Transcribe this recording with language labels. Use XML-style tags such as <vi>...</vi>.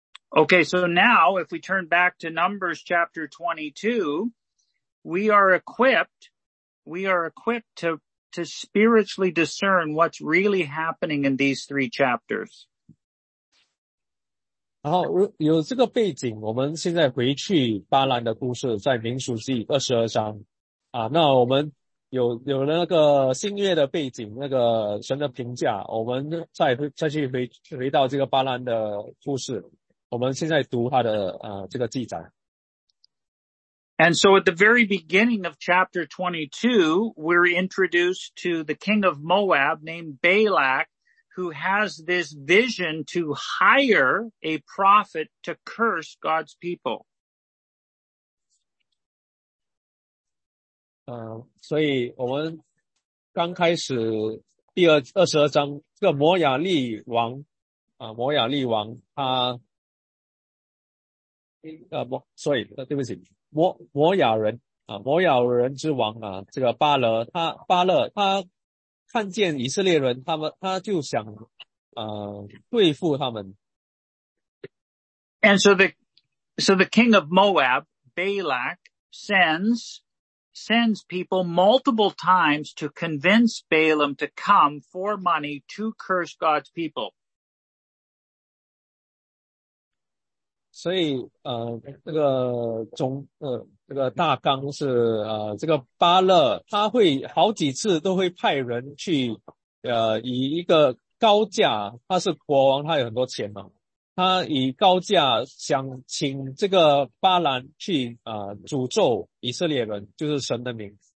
<en>Okay, so now if we turn back to Numbers chapter 22, we are equipped to spiritually discern what's really happening in these three chapters.</en> <zh>然后有这个背景，我们现在回去巴兰的故事，在民数记22章啊，那我们有那个新约的背景，那个神的评价，我们再去回到这个巴兰的故事，我们现在读他的这个记载。</zh> <en>And so at the very beginning of chapter 22, we're introduced to the king of Moab named Balak, who has this vision to hire a prophet to curse God's people.</en> <zh>所以我们刚开始第22章，这个摩亚利王他摩亚人之王啊，这个巴勒他看见以色列人，他就想对付他们。</zh> <en>And so the king of Moab, Balak, sends people multiple times to convince Balaam to come for money to curse God's people.</en> <zh>所以大纲是这个巴勒他会好几次都会派人去以一个高价，他是国王，他有很多钱嘛，他以高价想请这个巴兰去诅咒以色列人，就是神的名。</zh>